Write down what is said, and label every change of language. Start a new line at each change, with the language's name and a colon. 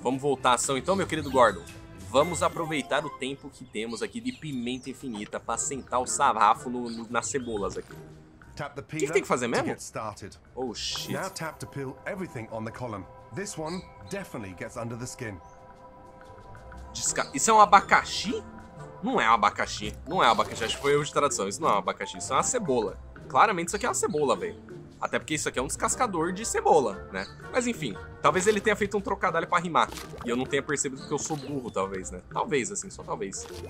Portuguese: Vamos voltar à ação então, meu querido Gordon. Vamos aproveitar o tempo que temos aqui de pimenta infinita pra sentar o sarrafo nas cebolas aqui.
English: tap the peeler.
Portuguese: O que tem que fazer mesmo?
English: Oh shit. Now tap to peel everything on the column. This one definitely gets under the skin.
Portuguese: Isso é um abacaxi? Não é abacaxi. Não é abacaxi. Acho que foi erro de tradução. Isso não é um abacaxi. Isso é uma cebola. Claramente isso aqui é uma cebola, velho. Até porque isso aqui é um descascador de cebola, né? Mas enfim, talvez ele tenha feito um trocadilho pra rimar. E eu não tenha percebido que eu sou burro, talvez, né? Talvez, assim, só talvez.